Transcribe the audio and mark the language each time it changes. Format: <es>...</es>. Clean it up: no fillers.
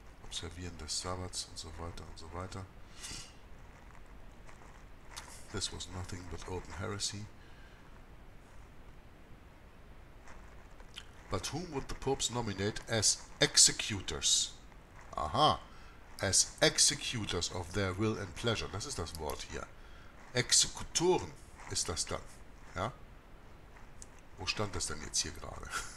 <de>Servieren des Sabbats und so weiter und so weiter.</de> <en>This was nothing but open heresy. But whom would the Popes nominate as executors? Aha, as executors of their will and pleasure.</en> <de>Das ist das Wort hier. Exekutoren ist das dann. Ja? Wo stand das denn jetzt hier gerade?</de>